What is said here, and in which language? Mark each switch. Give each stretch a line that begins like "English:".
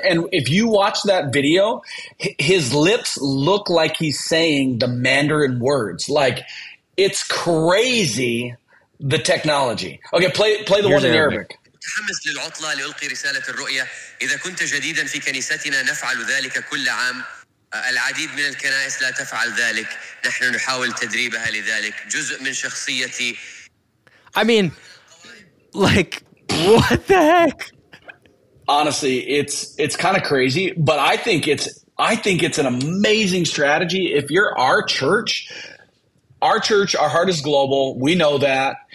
English: And if you watch that video, his lips look like he's saying the Mandarin words. Like, it's crazy, the technology. Okay, play the one in Arabic.
Arabic: متحمس للعطلة لألقي رسالة الرؤية إذا كنت جديدا في كنيستنا نفعل ذلك كل عام العديد من الكنائس لا تفعل ذلك نحن نحاول تدريبها لذلك جزء من شخصيتي.
English: I mean, like, what the heck? Honestly, it's kind of crazy, but I think it's an amazing strategy. If you're our church, our heart is global. We know that.